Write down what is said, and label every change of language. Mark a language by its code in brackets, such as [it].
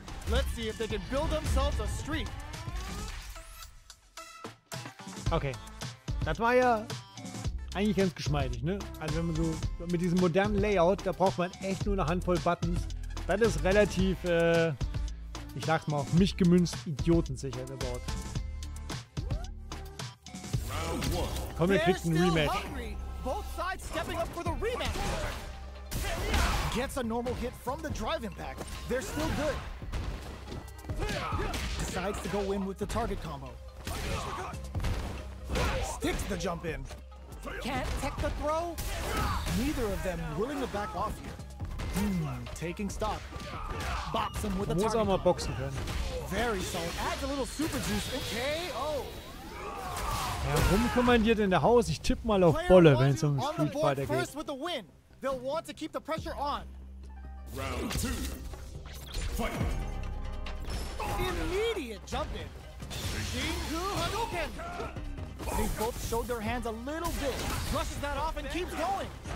[en] Let's see if they can build themselves a streak. Okay. [de] Das war ja eigentlich ganz geschmeidig, ne? Also wenn man so mit diesem modernen Layout, da braucht man echt nur eine Handvoll Buttons. Das ist relativ, ich sag's mal, auf mich gemünzt, idiotensicher gebaut. Komm, wir kriegen ein Rematch. [en] Both sides stepping up for the rematch. Gets a normal hit from the drive impact. They're still good. Decides to go in with the target combo. Sticks the jump in. Can't tech the throw. Neither of them willing to back off here. Taking stock. Bops him with the target combo. [de] Boxen können. [en] Very solid. Adds a little super juice and KO. [de] Warum kommandiert in der Haus? Ich tippe mal auf Bolle, wenn es um Street Fighter geht. [en] They'll want to keep the pressure on. Round two. Fight. Immediate jump in. Shinku Hadouken. They both showed their hands a little bit. Brushes that off and keeps going.